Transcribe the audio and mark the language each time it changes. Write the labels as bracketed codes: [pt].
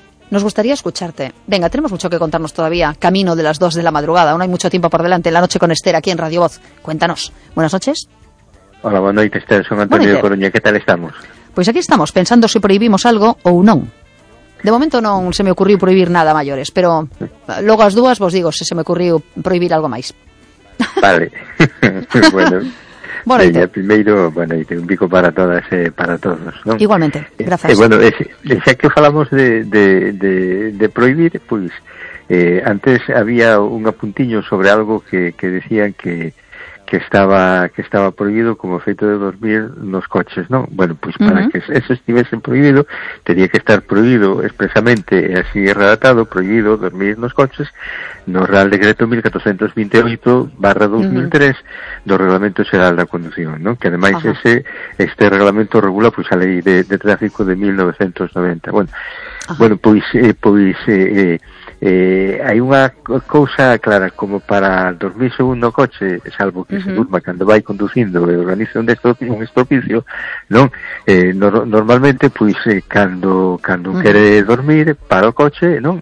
[es] Nos gustaría escucharte. Venga, tenemos mucho que contarnos todavía. Camino de las 2 de la madrugada. Aún hay mucho tiempo por delante. La noche con Esther aquí en Radio Voz. Cuéntanos. Buenas noches. Hola, buenas noches, Esther. Soy Antonio de Coruña. ¿Qué tal estamos? Pues aquí estamos, pensando si prohibimos algo o no. De momento no se me ocurrió prohibir nada, mayores. Pero luego [gl] as dúas vos digo [es] si se me ocurrió prohibir algo máis. [gl] Vale. Bueno. Bueno, Leña primeiro, bueno, e un bico para todas e para todos, ¿no? [es] Igualmente, gracias. [gl] Bueno, xa que falamos de prohibir, pues antes había un apuntiño sobre algo que decían que estaba prohibido como efecto de dormir nos coches, ¿no? Bueno, pues para que eso estivese prohibido, tenía que estar prohibido expresamente, así relatado, prohibido dormir nos coches, no Real Decreto 1428/2003 do Reglamento Xeral da Conducción, ¿no? Que además este reglamento regula pues a Lei de Tráfico de 1990. Bueno, hai unha cousa clara, como para dormir segundo o coche, salvo que se durma cando vai conducindo e organiza un estropicio, non? Normalmente, pois, cando quere dormir, para o coche, non?